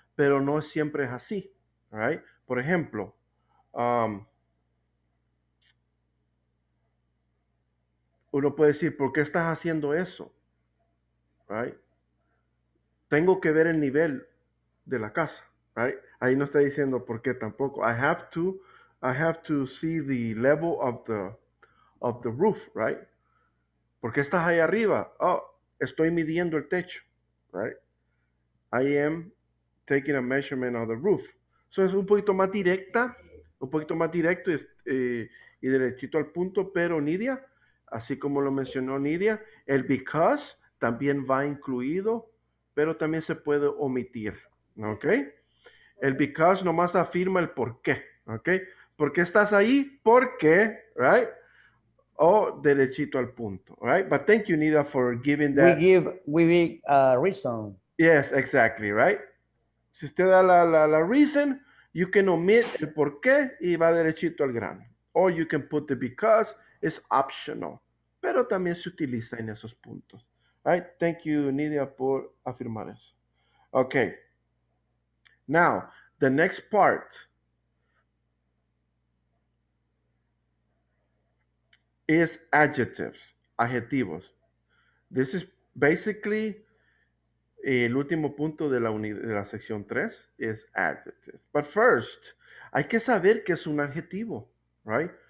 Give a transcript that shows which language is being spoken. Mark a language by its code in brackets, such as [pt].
[es] Pero no siempre es así, [en] right? [es] Por ejemplo, uno puede decir, ¿por qué estás haciendo eso? [en] Right? [es] Tengo que ver el nivel de la casa, [en] right? [es] Ahí no está diciendo por qué tampoco. [en] I have to see the level of the roof, right? [es] ¿Por qué estás ahí arriba? Oh, estoy midiendo el techo. [en] Right, I am taking a measurement of the roof. [es] So es un poquito más directa, un poquito más directo y derechito al punto, pero Nidia, así como lo mencionó Nidia, el because también va incluido, pero también se puede omitir, ¿ok? El because nomás afirma el por qué, ¿ok? ¿Por qué estás ahí? ¿Por qué? [en] Right? [es] O derechito al punto, [en] right? But thank you, Nida, for giving that. We give a reason. Yes, exactly, right? [es] Si usted da la reason, [en] you can omit [es] el por qué y va derechito al grano. [en] Or you can put the because, it's optional. [es] Pero también se utiliza en esos puntos, [en] right? Thank you, Nida, [es] por afirmar eso. [en] Okay. Now, the next part. Is adjectives, [es] adjetivos. [en] This is basically [es] el último punto de la sección 3 [en] is adjectives. But first, [es] hay que saber qué es un adjetivo, [en] right?